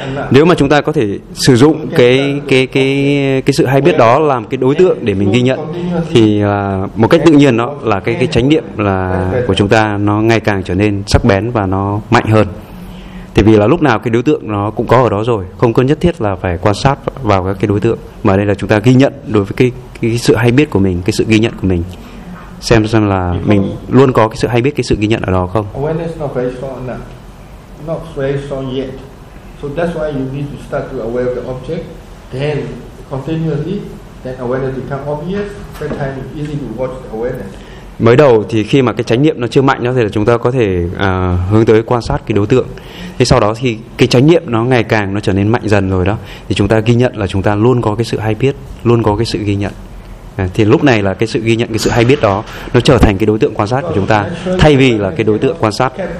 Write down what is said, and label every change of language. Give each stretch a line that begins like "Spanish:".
Vietnamese: Nếu mà chúng ta có thể sử dụng cái sự hay biết đó làm cái đối tượng để mình ghi nhận, thì là một cách tự nhiên đó là cái chánh niệm là của chúng ta nó ngày càng trở nên sắc bén và nó mạnh hơn. Thì vì là lúc nào cái đối tượng nó cũng có ở đó rồi, không cần nhất thiết là phải quan sát vào các cái đối tượng, mà đây là chúng ta ghi nhận đối với cái sự hay biết của mình, cái sự ghi nhận của mình, xem là mình luôn có cái sự hay biết, cái sự ghi nhận ở đó không.
English: Awareness not very strong enough, not very strong yet, so that's why you need to start to aware of the object, then continuously, then awareness become obvious, that time it's easy to watch the awareness.
Vietnamese: Mới đầu thì khi mà cái chánh niệm nó chưa mạnh đó, thì là chúng ta có thể hướng tới quan sát cái đối tượng. Thế sau đó thì cái chánh niệm nó ngày càng nó trở nên mạnh dần rồi đó, thì chúng ta ghi nhận là chúng ta luôn có cái sự hay biết, luôn có cái sự ghi nhận. Thì lúc này là cái sự ghi nhận, cái sự hay biết đó nó trở thành cái đối tượng quan sát của chúng ta, thay vì là cái đối tượng quan sát.